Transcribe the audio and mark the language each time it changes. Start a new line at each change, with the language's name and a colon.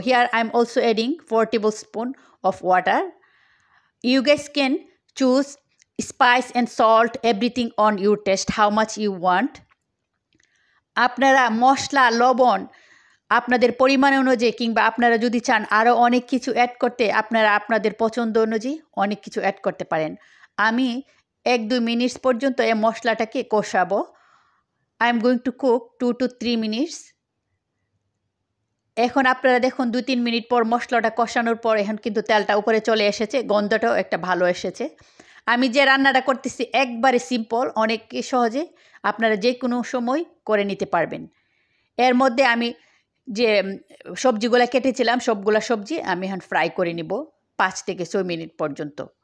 English: Here I am also adding 4 table spoon of water. You guess can choose spice and salt, everything on your taste, how much you want.
Bangla: আপনারা মশলা লবণ আপনাদের পরিমাণ অনুযায়ী, কিংবা আপনারা যদি চান আরও অনেক কিছু অ্যাড করতে, আপনারা আপনাদের পছন্দ অনুযায়ী অনেক কিছু অ্যাড করতে পারেন। আমি 1-2 মিনিট পর্যন্ত এই মশলাটাকে কষাবো।
English: I am going to cook 2-3 minutes.
Bangla: এখন আপনারা দেখুন 2-3 মিনিট পর মশলাটা কষানোর পর এখন কিন্তু তেলটা উপরে চলে এসেছে, গন্ধটাও একটা ভালো এসেছে। আমি যে রান্নাটা করতেছি একবারে সিম্পল, অনেক সহজে আপনারা যে কোনো সময় করে নিতে পারবেন। এর মধ্যে আমি যে সবজিগুলো কেটেছিলাম সবগুলো সবজি আমি এখন ফ্রাই করে নিব 5 থেকে 6 মিনিট পর্যন্ত।